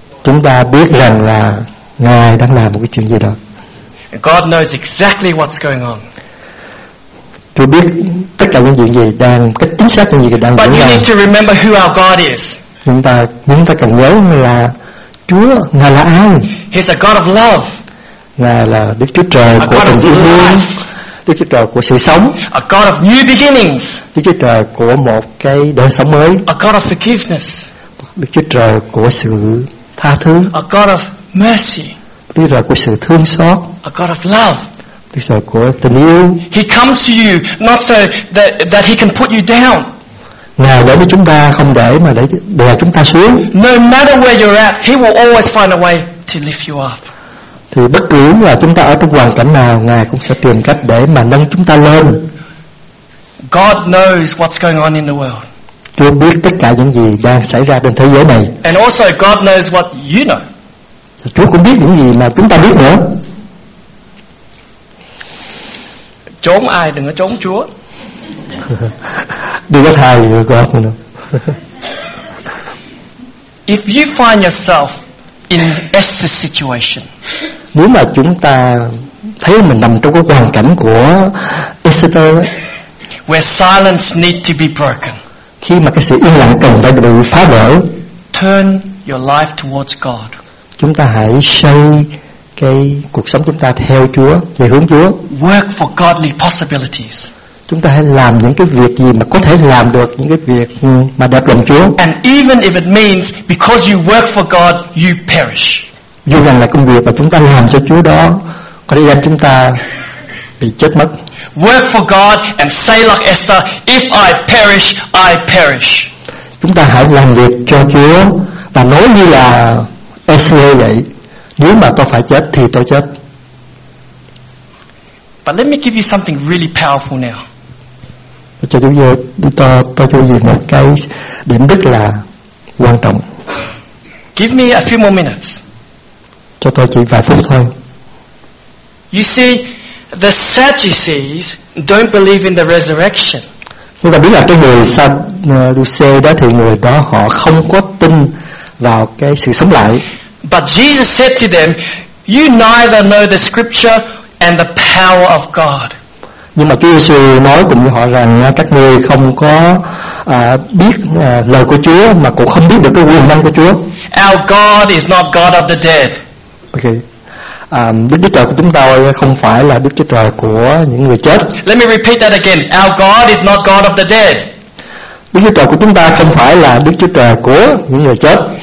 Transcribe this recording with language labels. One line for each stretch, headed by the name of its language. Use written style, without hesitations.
Vietnamese: Chúng ta biết rằng là Ngài đang làm một cái chuyện gì đó.
English: God knows exactly what's going on.
Vietnamese: Chúa biết tất cả những chuyện gì đang, cách chính xác những gì đang diễn ra.
English: But you need to remember who our God is.
Vietnamese: Chúng ta cần nhớ là Chúa, Ngài là ai?
English: He's a God of love.
Vietnamese: Ngài là Đức Chúa Trời của tình yêu thương. Đức Chúa Trời của sự sống.
English: A God of new beginnings.
Vietnamese: Đức Chúa Trời của một cái đời sống mới.
English: A God of forgiveness.
Vietnamese: Đức Chúa Trời của sự tha thứ.
English: A God of mercy.
Vietnamese: Đức Chúa Trời của sự thương xót.
English: A God of love.
Vietnamese: Đức Chúa Trời của tình yêu.
English: He comes to you not so that he can put you down.
Vietnamese: Ngài đến với chúng ta không để mà để đè chúng ta xuống.
English: No matter where you're at, he will always find a way to lift you up.
Vietnamese: Thì bất cứ là chúng ta ở trong hoàn cảnh nào, Ngài cũng sẽ tìm cách để mà nâng chúng ta lên.
English: God knows what's going on in the world.
Vietnamese: Chúa biết tất cả những gì đang xảy ra trên thế giới này.
English: And also God knows what you know.
Vietnamese: Chúa cũng biết những gì mà chúng ta biết nữa. Trốn ai đừng có trốn Chúa. Đừng có thay God nữa.
English: If you find yourself in Esther's situation,
Vietnamese: nếu mà chúng ta thấy mình nằm trong cái hoàn cảnh của Esther,
English: where silence need to be broken,
Vietnamese: khi mà cái sự im lặng cần phải bị phá vỡ,
English: Turn your life towards God.
Vietnamese: Chúng ta hãy xây cái cuộc sống chúng ta theo Chúa, về hướng Chúa.
English: Work for godly possibilities.
Vietnamese: Chúng ta hãy làm những cái việc gì mà có thể làm được, những cái việc mà đẹp lòng Chúa.
English: And even if it means because you work for God, you perish.
Vietnamese: Dù rằng là công việc mà chúng ta làm cho Chúa đó có thể làm chúng ta bị chết mất.
English: Work for God and say like Esther, if I perish, I perish.
Vietnamese: Chúng ta hãy làm việc cho Chúa và nói như là Esther vậy, nếu mà tôi phải chết thì tôi chết.
English: But let me give you something really powerful now.
Vietnamese: Cho chúng tôi cho gì một cái điểm rất là quan trọng.
English: Give me a few more minutes.
Vietnamese: Cho tôi chỉ vài phút thôi.
English: You see, the Sadducees don't believe in the resurrection.
Vietnamese: Chúng ta biết là cái người Sadducee đó thì người đó họ không có tin vào cái sự sống lại.
English: But Jesus said to them, "You neither know the Scripture and the power of God."
Vietnamese: Nhưng mà Chúa Giêsu nói cùng với họ rằng các ngươi không có biết lời của Chúa mà cũng không biết được cái quyền năng của Chúa.
English: Our God is not God of the dead. Okay.
Vietnamese: Đức Chúa Trời của chúng ta không phải là Đức Chúa Trời của những người chết.
English: Let me repeat that again. Our God is not God of the dead.
Vietnamese: Đức Chúa Trời của chúng ta không phải là Đức Chúa Trời của những người chết.